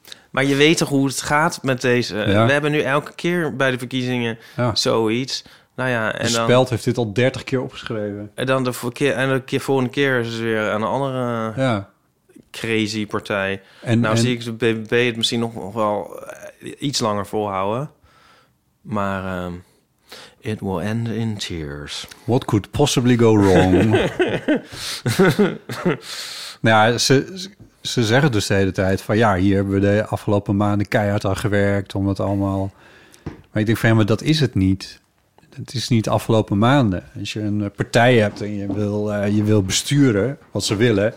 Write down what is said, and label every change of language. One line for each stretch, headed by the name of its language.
Dutch: Maar je weet toch hoe het gaat met deze... Ja. We hebben nu elke keer bij de verkiezingen zoiets. Nou ja, en de Speld heeft dit al 30 keer opgeschreven. En dan de volgende keer is het weer een andere... Ja. Crazy partij. En zie ik de BBB het misschien nog wel iets langer volhouden. Maar
English: it will end in tears. What could possibly go wrong?
Dutch: Nou ja, ze zeggen dus de hele tijd van... ja, hier hebben we de afgelopen maanden keihard aan gewerkt om het allemaal... Maar ik denk van, ja, maar dat is het niet. Het is niet de afgelopen maanden. Als je een partij hebt en je wil besturen wat ze willen...